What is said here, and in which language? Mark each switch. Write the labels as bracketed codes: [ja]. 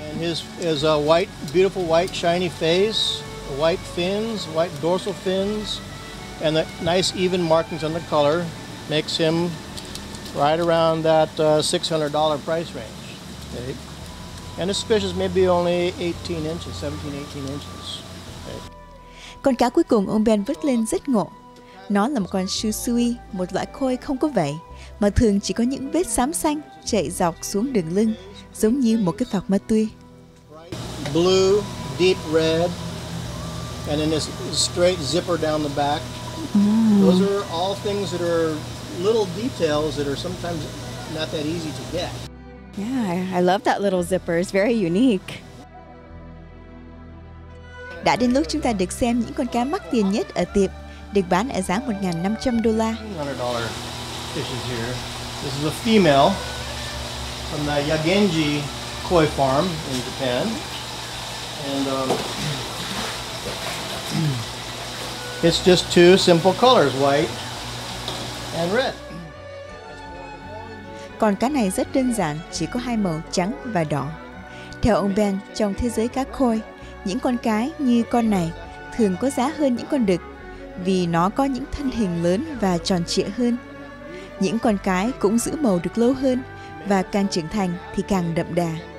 [en] And his is a white, beautiful white, shiny face, white fins, white dorsal fins, and the nice even markings on the color makes him right around that $600 price range. Okay. And his fish is maybe only 18 inches, 17, 18 inches. [vi] Con cá cuối cùng ông Ben vớt lên rất ngộ. Nó là một con shu sui, một loại koi không có vảy, mà thường chỉ có những vết xám xanh chạy dọc xuống đường lưng, giống như một cái phọc ma tui. [en] Blue, deep red, and then this straight zipper down the back. Mm. Those are all things that are little details that are sometimes not that easy to get. Yeah, I love that little zipper. It's very unique. [vi] Đã đến lúc chúng ta được xem những con cá mắc tiền nhất ở tiệm, được bán ở giá $1,500. [en] Fishes here. This is a female from the Yagenji koi farm in Japan, and it's just two simple colors, white and red. [vi] Còn cá này rất đơn giản, chỉ có hai màu trắng và đỏ. Theo ông Ben, trong thế giới cá koi, những con cái như con này thường có giá hơn những con đực vì nó có những thân hình lớn và tròn trịa hơn. Những con cái cũng giữ màu được lâu hơn và càng trưởng thành thì càng đậm đà.